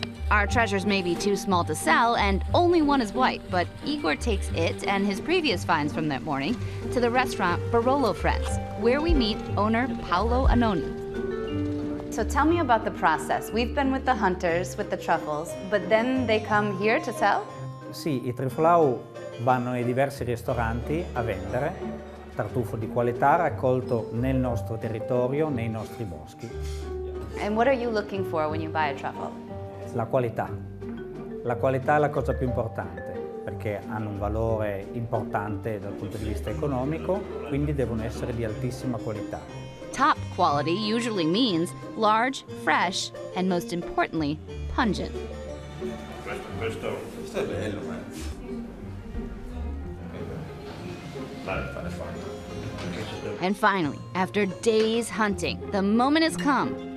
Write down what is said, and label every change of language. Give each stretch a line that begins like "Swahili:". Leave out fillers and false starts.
English: Our treasures may be too small to sell, and only one is white, but Igor takes it and his previous finds from that morning to the restaurant Barolo Friends, where we meet owner Paolo Anoni. So tell me about the process. We've been with the hunters, with the truffles, but then they come here to sell?
Italian: Sì, I truffolau vanno ai diversi ristoranti a vendere tartufo di qualità raccolto nel nostro territorio, nei nostri boschi.
English: And what are you looking for when you buy a truffle?
Italian: La qualità. La qualità è la cosa più importante, perché hanno un valore importante dal punto di vista economico, quindi devono essere di altissima qualità.
English: Top quality usually means large, fresh, and most importantly, pungent.
Italian: Questo è bello, ma...
English: And finally, after days hunting, the moment has come.